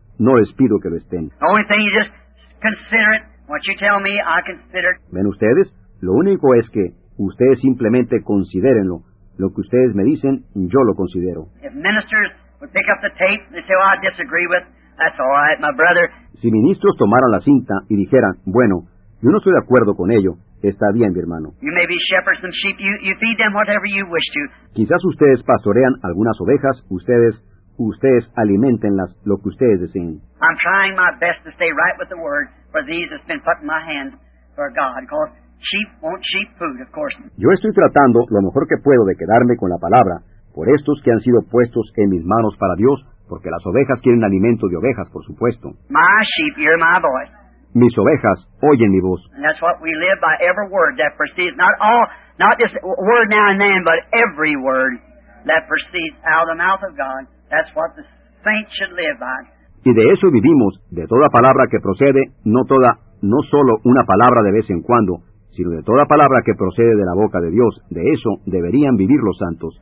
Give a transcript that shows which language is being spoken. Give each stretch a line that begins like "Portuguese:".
Spanish: No les pido que lo estén.
English: The only thing is just consider it. What you tell me, I consider.
Spanish: ¿Ven ustedes? Lo único es que ustedes simplemente considérenlo. Lo que ustedes me dicen, yo lo considero.
English: If ministers would pick up the tape and say, "Well, I disagree with," that's all right, my brother.
Spanish: Si ministros tomaran la cinta y dijeran, "Bueno, yo no estoy de acuerdo con ello," está bien, mi hermano.
English: You may be shepherds and sheep. You feed them whatever you wish to.
Spanish: Quizás ustedes pastorean algunas ovejas. Ustedes alimentenlas lo que ustedes deseen.
English: I'm trying my best to stay right with the word for these that's been put in my hands for God. Because sheep want sheep food, of course.
Spanish: Yo estoy tratando lo mejor que puedo de quedarme con la palabra por estos que han sido puestos en mis manos para Dios, porque las ovejas quieren alimento de ovejas, por supuesto.
English: My sheep hear my voice.
Spanish: Mis ovejas oyen mi voz.
English: And that's what we live by, every word that proceeds, not just word now and then, but every word that proceeds out of the mouth of God. That's what the saints should live by.
Spanish: Y de eso vivimos, de toda palabra que procede, no solo una palabra de vez en cuando, sino de toda palabra que procede de la boca de Dios. De eso deberían vivir los santos.